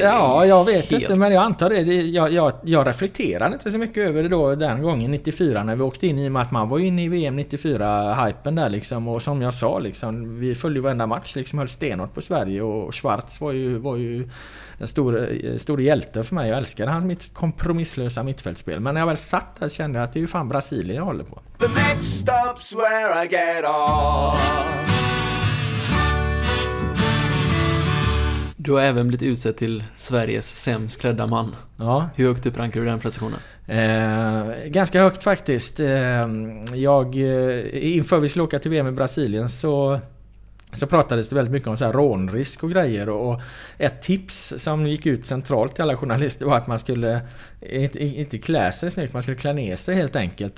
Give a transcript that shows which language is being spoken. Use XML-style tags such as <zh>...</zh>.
<sv>Ja, jag vet inte, men jag antar det. Jag reflekterade inte så mycket över det då den gången 94 när vi åkte in, i och med att man var inne i VM 94-hypen där liksom. Och som jag sa liksom, vi följde varenda match liksom, höll stenhårt på Sverige, och Schwarz var ju en stor hjälte för mig. Jag älskade hans mitt kompromisslösa mittfältspel. Men när jag väl satt där kände jag att det är ju fan Brasilien jag håller på.</sv> <en>The next stop's where I get off.</en> <sv>Du har även blivit utsedd till Sveriges sämst klädda man. Ja. Hur högt upp rankar du den prestationen? Ganska högt faktiskt. Jag, inför vi skulle åka till VM i Brasilien, så så pratades det väldigt mycket om så här rånrisk och grejer, och ett tips som gick ut centralt till alla journalister var att man skulle inte klä sig snyggt, man skulle klä ner sig helt enkelt.</sv>